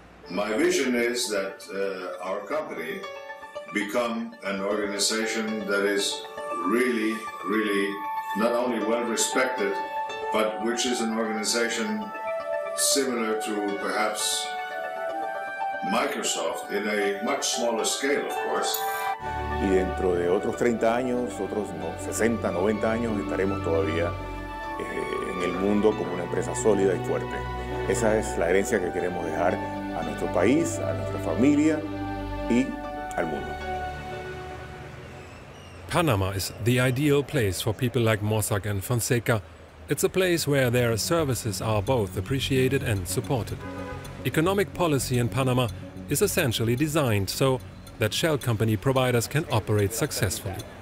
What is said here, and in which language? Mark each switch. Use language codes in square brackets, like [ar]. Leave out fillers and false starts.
[en] My vision is that our company become an organization that is really, really not only well respected, but which is an organization similar to perhaps Microsoft in a much smaller scale, of course. [es] Y dentro de otros 30 años, otros 60, 90 años, estaremos todavía en el mundo como una empresa sólida y fuerte. Esa es la herencia que queremos dejar a nuestro país, a nuestra familia y al mundo. [en] Panama is the ideal place for people like Mossack and Fonseca. It's a place where their services are both appreciated and supported. Economic policy in Panama is essentially designed so that shell company providers can operate successfully.